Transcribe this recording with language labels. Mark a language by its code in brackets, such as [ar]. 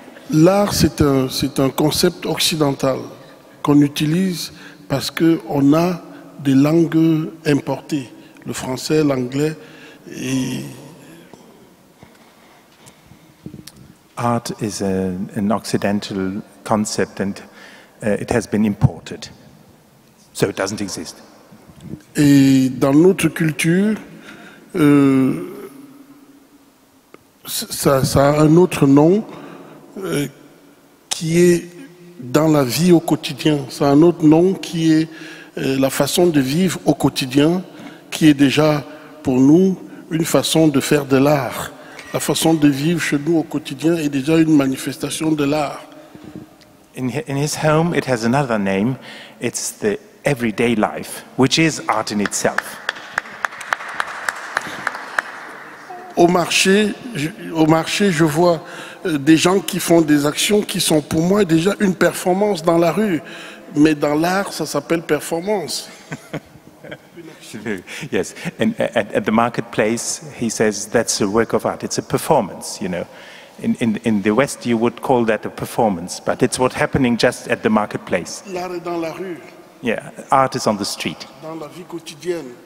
[fr] L'art, c'est un concept occidental qu'on utilise parce qu'on a des langues importées, le français, l'anglais, et... [en] Art is an occidental concept and it has been imported. So it doesn't exist. [fr] Et dans notre culture, ça a un autre nom qui est dans la vie au quotidien. C'est un autre nom qui est la façon de vivre au quotidien, qui est déjà pour nous une façon de faire de l'art. La façon de vivre chez nous au quotidien est déjà une manifestation de l'art. [en] In his home, it has another name. It's the everyday life, which is art in itself. [fr] Au marché, je vois des gens qui font des actions qui sont pour moi déjà une performance dans la rue, mais dans l'art, ça s'appelle performance. [en] Yes, and at the marketplace, he says that's a work of art. It's a performance, you know. In the West, you would call that a performance, but it's what's happening just at the marketplace. [fr] L'art est dans la rue. [en] Yeah, art is on the street. [fr] Dans la vie quotidienne.